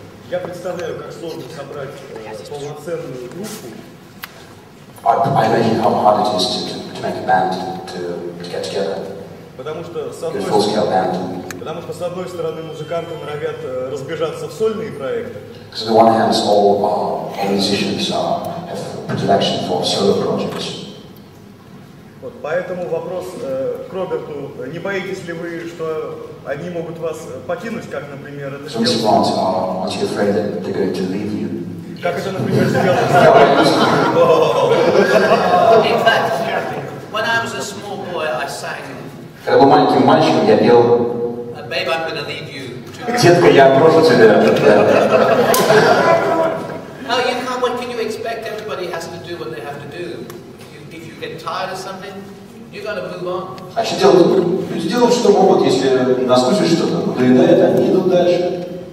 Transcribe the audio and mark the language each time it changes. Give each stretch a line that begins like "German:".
Russian: Я представляю, как сложно собрать полноценную группу.
English: I imagine how hard it is to make a band to get together.
Russian: Потому что с одной стороны музыканты норовят разбежаться в сольные проекты.
English: Because on the one hand, all musicians have predilection for solo projects.
Russian: Вот поэтому вопрос к Роберту: не боитесь ли вы, что они могут вас покинуть, как, например, это?
English: So, Mr. Grant, are you afraid that they're going to leave you?
Russian: Как это, например, сделано?
English: In fact, when I was a small boy, I sang.
Russian: Когда был маленьким мальчиком, я пел.
English: Babe, I'm gonna leave you.
Russian: Детка, я брошу тебя.
English: How you come? What can you expect? Everybody has to do what they have to do. If you get tired of something, you gotta move on.
Russian: А что делать? Люди делают, что могут, если наскучит что-то, надоедает, они идут дальше.